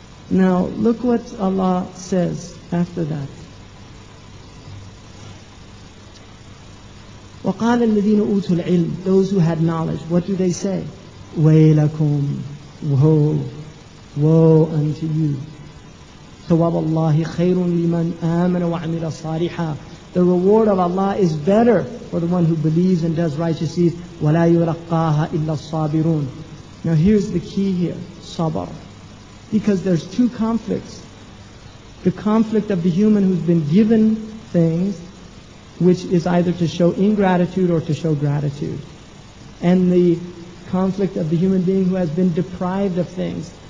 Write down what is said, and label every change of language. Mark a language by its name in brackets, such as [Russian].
[English] Now, look what Allah says after that. [Arabic] وقال الذين أوتوا العلم, [English] those who had knowledge, what do they say? ويلكم, woe, woe unto you. [Arabic] ثواب الله خير لمن آمن وعمل صالحا. [English] The reward of Allah is better for the one who believes and does righteous deeds. [Arabic] ولا يلقاها إلا الصابرون. [English] Now here's the key here, صبر. Because there's two conflicts. The conflict of the human who's been given things, which is either to show ingratitude or to show gratitude. And the conflict of the human being who has been deprived of things.